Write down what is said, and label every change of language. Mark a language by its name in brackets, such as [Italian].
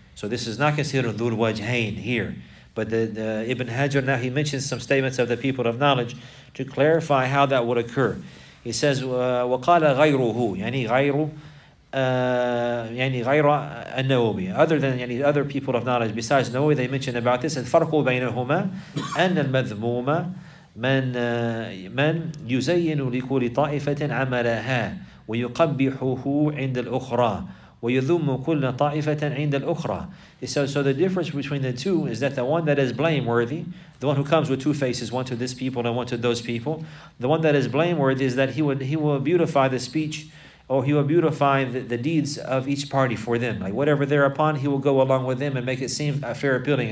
[English] So this is not considered dhul wajhain here, but the Ibn Hajar, now he mentions some statements of the people of knowledge to clarify how that would occur. He says [Arabic] وَقَالَ غَيْرُهُ يعني غير النووي, [English] other than يعني other people of knowledge besides Nawawi, they mention about this. [Arabic] الفرق بينهما أن المذموم من يزين لكل طائفة عملها ويقبحه عند الأخرى ويذم كل طائفة عند الأخرى. [English] So the difference between the two is that the one that is blameworthy, the one who comes with two faces, one to this people and one to those people, the one that is blameworthy is that he will beautify the speech. Oh, he will beautify the deeds of each party for them. Like whatever they're upon, he will go along with them and make it seem fair appealing.